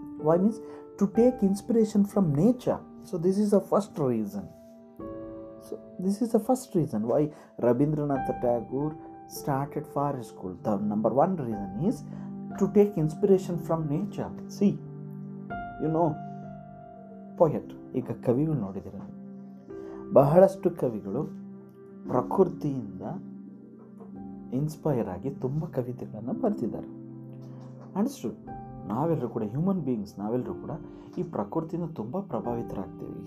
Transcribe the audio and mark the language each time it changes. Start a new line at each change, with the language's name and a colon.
English: Why means to take inspiration from nature. So this is the first reason. So this is the first reason why Rabindranath Tagore started forest school. The number one reason is to take inspiration from nature. See, you know, poet,
Kannada: ಈಗ ಕವಿಗಳು ನೋಡಿದ್ರೆ ಬಹಳಷ್ಟು ಕವಿಗಳು ಪ್ರಕೃತಿಯಿಂದ inspire ಆಗಿ ತುಂಬ ಕವಿತೆಗಳನ್ನು ಬರ್ತಿದ್ದಾರೆ. ಅಂಡ್ಸ್ಟು, ನಾವೆಲ್ಲರೂ ಕೂಡ ಹ್ಯೂಮನ್ ಬೀಯಿಂಗ್ಸ್, ನಾವೆಲ್ಲರೂ ಕೂಡ ಈ ಪ್ರಕೃತಿಯಿಂದ ತುಂಬ ಪ್ರಭಾವಿತರಾಗ್ತೀವಿ.